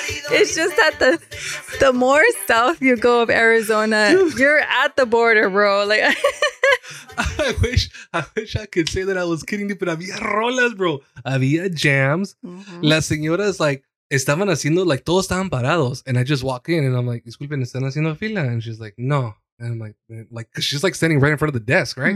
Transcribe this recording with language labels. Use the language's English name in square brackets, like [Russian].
[English] It's just that the more south you go of Arizona, you're at the border, bro. Like, I wish I could say that I was kidding you, but [Spanish] había rolas, bro. Había jams. Mm-hmm. Las señoras, like, estaban haciendo, like, todos estaban parados. [English] And I just walk in and I'm like, [Spanish] disculpen, ¿están haciendo fila? [English] And she's like, no. And I'm like, cause she's like standing right in front of the desk, right?